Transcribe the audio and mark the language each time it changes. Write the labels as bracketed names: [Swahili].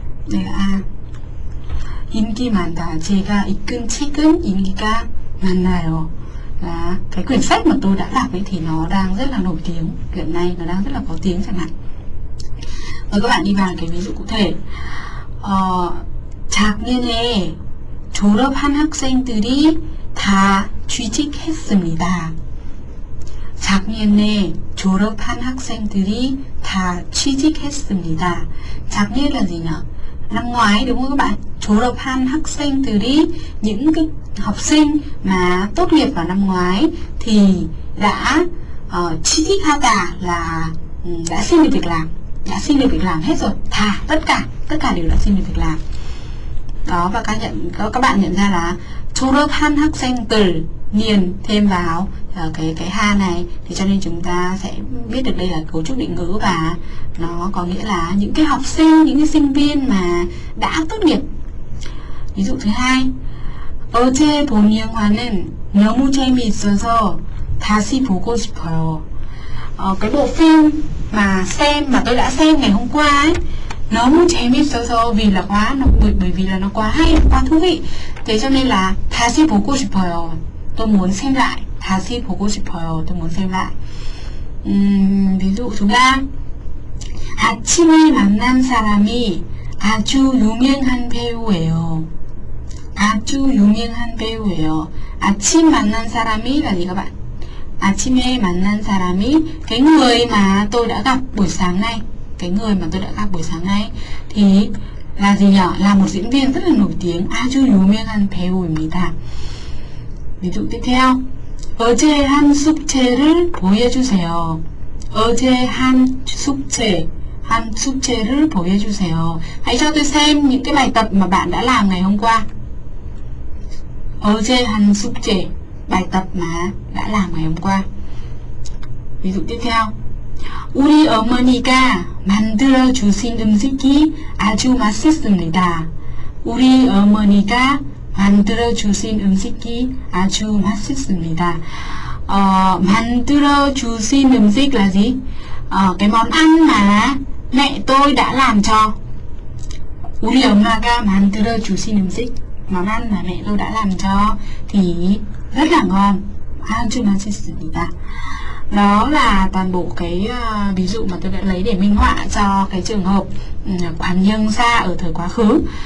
[Vietnamese] Đây là [Korean] A. Ingi manta, 제가 읽은 책은 ingiga manta요. [Vietnamese] Là cái quyển sách mà tôi đã đọc ấy thì nó đang rất là nổi tiếng, hiện nay nó đang rất là có tiếng chẳng hạn. Mời các bạn đi vào cái ví dụ cụ thể. [Korean] 작년에 졸업한 학생들이 다 취직했습니다. 작년에 졸업한 학생들이 다 취직했습니다. [Vietnamese] 작년 là gì nhỉ? Năm ngoái đúng không các bạn? [Korean] 졸업한 학생들이 [Vietnamese] những cái học sinh mà tốt nghiệp vào năm ngoái thì đã 취직하다 là đã xin được việc làm. Đã xin được việc làm hết rồi, thà tất cả đều đã xin được việc làm. Đó, và các bạn nhận ra là [Korean] 졸업한 학생들 [Vietnamese] niên thêm vào cái ha này thì cho nên chúng ta sẽ biết được đây là cấu trúc định ngữ và nó có nghĩa là những cái học sinh, những cái sinh viên mà đã tốt nghiệp. Ví dụ thứ hai, [Korean] 어제 본 영화는 너무 재미있어서 다시 보고 싶어요. [Vietnamese] Cái bộ phim mà xem, mà tôi đã xem ngày hôm qua ấy, nó muốn chế mít sơ sơ vì là quá, bởi vì là nó quá hay, quá thú vị. Thế cho nên là [Korean] 다시 보고 싶어요, [Vietnamese] tôi muốn xem lại. [Korean] 다시 보고 싶어요, [Vietnamese] tôi muốn xem lại. Ví dụ thứ ba, [Korean] 아침에 만난 사람이 아주 유명한 배우예요. 아주 유명한 배우예요. 아침 만난 사람이 [Vietnamese] là gì các bạn? [Korean] 아침에 만난 사람이, [Vietnamese] cái người mà tôi đã gặp buổi sáng nay, cái người mà tôi đã gặp buổi sáng nay thì là gì nhỉ? Là một diễn viên rất là nổi tiếng, [Korean] 아주 유명한 배우입니다. [Vietnamese] Ví dụ tiếp theo, [Korean] 어제 한 숙제를 보여주세요. 어제 한 숙제, 한 숙제를 보여주세요. [Vietnamese] Hãy cho tôi xem những cái bài tập mà bạn đã làm ngày hôm qua. [Korean] 어제 한 숙제, [Vietnamese] bài tập mà đã làm ngày hôm qua. Ví dụ tiếp theo, [Korean] 우리 어머니가 만들어 주신 음식이 아주 맛있습니다. 우리 어머니가 만들어 주신 음식이 아주 맛있습니다. 만들어 주신 음식 [Vietnamese] là gì? Cái món ăn mà mẹ tôi đã làm cho. [Korean] 우리 엄마가 만들어 주신 음식, [Vietnamese] món ăn mà mẹ tôi đã làm cho thì rất là ngon. [Korean] 아주 맛있습니다. [Vietnamese] Đó là toàn bộ cái ví dụ mà tôi đã lấy để minh họa cho cái trường hợp quán nhân xa ở thời quá khứ.